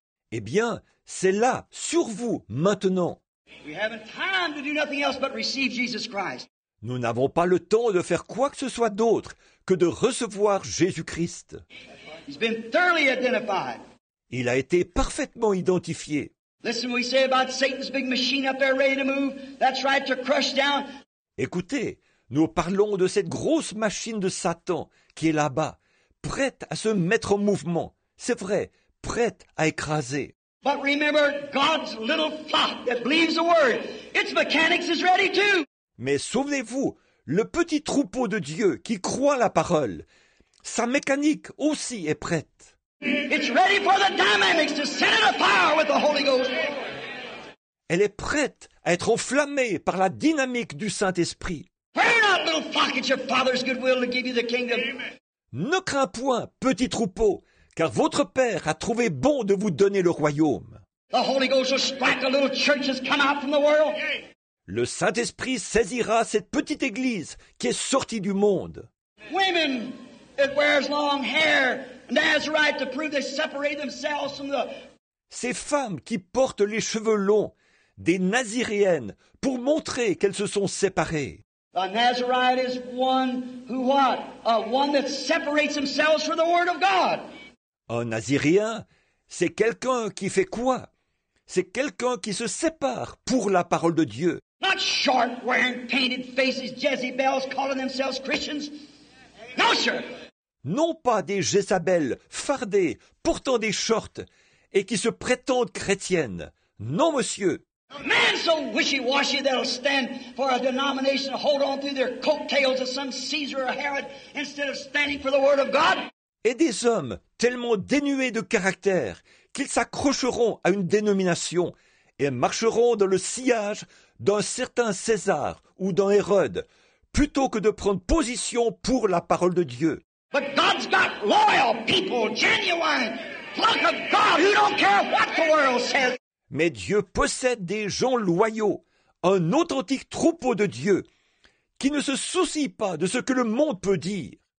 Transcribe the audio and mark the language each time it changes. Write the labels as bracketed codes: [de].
[fr] Eh bien, c'est là, sur vous, maintenant. [en] We haven't time to do nothing else but receive Jesus Christ. [fr] Nous n'avons pas le temps de faire quoi que ce soit d'autre que de recevoir Jésus-Christ. [en] He's been thoroughly identified. [fr] Il a été parfaitement identifié. [en] Listen, we say about Satan's big machine up there ready to move. That's right, to crush down. [fr] Écoutez, nous parlons de cette grosse machine de Satan qui est là-bas, prête à se mettre en mouvement. C'est vrai, prête à écraser. [en] But remember, God's little flock that believes the word, its mechanics is ready too. [fr] Mais souvenez-vous, le petit troupeau de Dieu qui croit la parole, sa mécanique aussi est prête. [en] It's ready for the dynamics to set it afire with the Holy Ghost. [fr] Elle est prête à être enflammée par la dynamique du Saint-Esprit. [en] Pray not, little flock, it's your Father's good will to give you the kingdom. Amen. [fr] Ne crains point, petit troupeau, car votre Père a trouvé bon de vous donner le royaume. [en] The Holy Ghost will strike a little church that's come out from the world. [fr] Le Saint-Esprit saisira cette petite église qui est sortie du monde. [en] Women that wears long hair, Nazarite, to prove they separate themselves from the... [fr] Ces femmes qui portent les cheveux longs, des Naziréennes, pour montrer qu'elles se sont séparées. [en] A Nazarite is one who what? One that separates themselves from the word of God. [fr] Un Naziréen, c'est quelqu'un qui fait quoi? C'est quelqu'un qui se sépare pour la parole de Dieu. [en] Not short, wearing painted faces, Jezebels calling themselves Christians. No, sir. [fr] Non pas des Jezabels fardées, portant des shorts et qui se prétendent chrétiennes. Non, monsieur. [en] A man so wishy-washy that'll stand for a denomination to hold on through their coattails of some Caesar or Herod instead of standing for the word of God. [fr] Et des hommes tellement dénués de caractère qu'ils s'accrocheront à une dénomination et marcheront dans le sillage d'un certain César ou d'un Hérode, plutôt que de prendre position pour la parole de Dieu. [en] But God's got loyal people, genuine, flock of God who don't care what the world says. [fr] Mais Dieu possède des gens loyaux, un authentique troupeau de Dieu, qui ne se soucie pas de ce que le monde peut dire.